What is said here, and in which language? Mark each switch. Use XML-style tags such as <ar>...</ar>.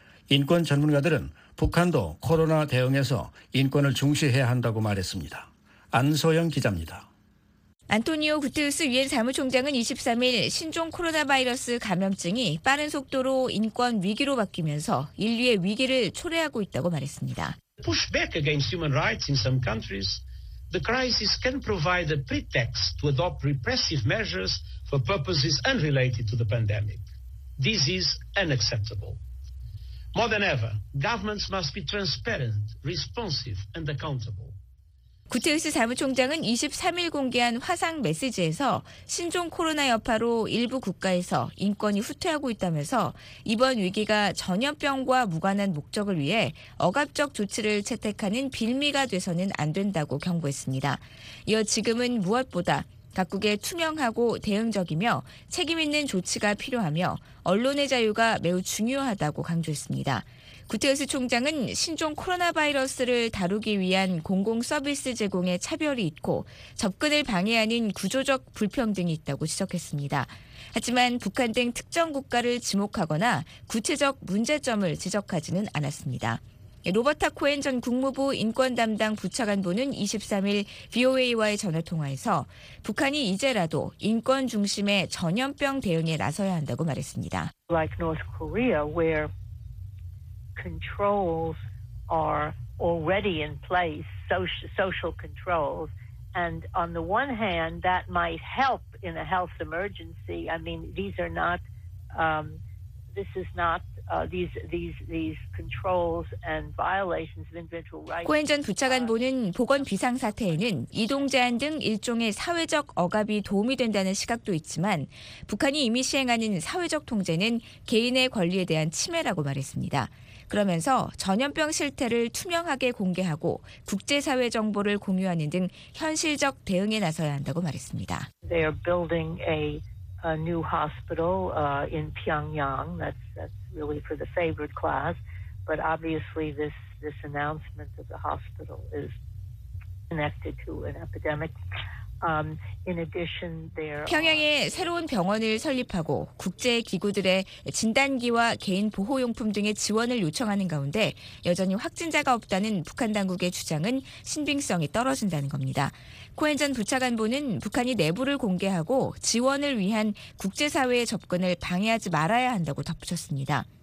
<ko>인권 전문가들은 북한도 코로나 대응에서 인권을 중시해야 한다고 말했습니다. 안소영 기자입니다. 안토니오 구테우스 유엔 사무총장은 23일 신종 코로나 바이러스 감염증이 빠른 속도로 인권 위기로 바뀌면서 인류의 위기를 초래하고 있다고 말했습니다.</ko> <en>Push back against human rights in some countries. The crisis can provide a pretext to adopt repressive measures for purposes unrelated to the pandemic. This is unacceptable. More than ever, governments must be transparent, responsive, and accountable.</en> <ko>구테우스 사무총장은 23일 공개한 화상 메시지에서 신종 코로나 여파로 일부 국가에서 인권이 후퇴하고 있다면서 이번 위기가 전염병과 무관한 목적을 위해 억압적 조치를 채택하는 빌미가 돼서는 안 된다고 경고했습니다. 이어 지금은 무엇보다 각국의 투명하고 대응적이며 책임 있는 조치가 필요하며 언론의 자유가 매우 중요하다고 강조했습니다. 구테우스 총장은 신종 코로나 바이러스를 다루기 위한 공공 서비스 제공에 차별이 있고 접근을 방해하는 구조적 불평등이 있다고 지적했습니다. 하지만 북한 등 특정 국가를 지목하거나 구체적 문제점을 지적하지는 않았습니다. 로버타 코엔 전 국무부 인권 담당 부차관보는 23일 VOA와의 전화통화에서 북한이 이제라도 인권 중심의 전염병 대응에 나서야 한다고 말했습니다.</ko> <en>Like North Korea, where controls are already in place, social controls, and on the one hand, that might help in a health emergency. I mean, these are not, this is not. These controls and violations of individual rights.</en> <ko>코엔 전 부차관보는 보건 비상사태에는 이동 제한 등 일종의 사회적 억압이 도움이 된다는 시각도 있지만 북한이 이미 시행하는 사회적 통제는 개인의 권리에 대한 침해라고 말했습니다. 그러면서 전염병 실태를 투명하게 공개하고 국제사회 정보를 공유하는 등 현실적 대응에 나서야 한다고 말했습니다.</ko> <en>They are building a new hospital in Pyongyang. That's really for the favored class, but obviously this announcement of the hospital is connected to an epidemic. In addition, there.</en> <ko>평양에 새로운 병원을 설립하고 국제 기구들의 진단기와 개인 보호용품 등의 지원을 요청하는 가운데 여전히 확진자가 없다는 북한 당국의 주장은 신빙성이 떨어진다는 겁니다. 코엔 전 부차관보는 북한이 내부를 공개하고 지원을 위한 국제사회의 접근을 방해하지 말아야 한다고 덧붙였습니다.</ko>